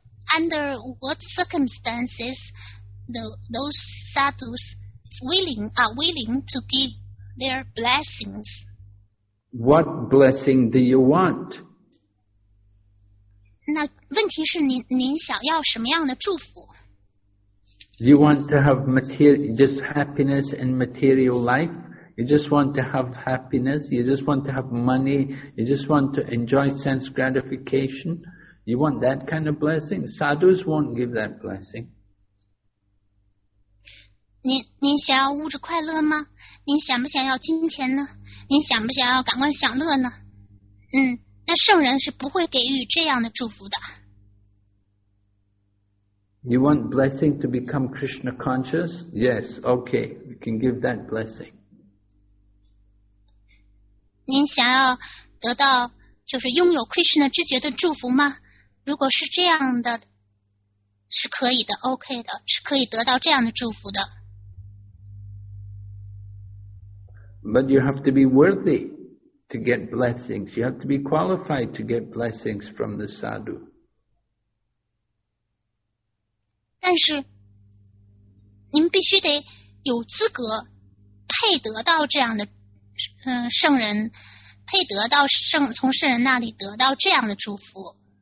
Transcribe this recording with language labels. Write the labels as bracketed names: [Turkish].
[English] Under what circumstances those sadhus are willing to give their blessings? What blessing do you want? 那问题是您想要什么样的祝福？ You want to have just happiness in material life? You just want to have happiness? You just want to have money? You just want to enjoy sense gratification? You want that kind of blessing? Sadhus won't give that blessing. [Chinese] 您想要物质快乐吗？您想不想要金钱呢？您想不想要感官享乐呢？那圣人是不会给予这样的祝福的。 [English] You want blessing to become Krishna conscious? Yes, okay, we can give that blessing. [Chinese] 您想要得到就是拥有 Krishna 知觉的祝福吗？如果是这样的，是可以的 ，OK 的，是可以得到这样的祝福的。 [English] But you have to be worthy to get blessings. You have to be qualified to get blessings from the sadhu. [Chinese] 但是，您必须得有资格，配得到这样的，圣人，配得到圣从圣人那里得到这样的祝福。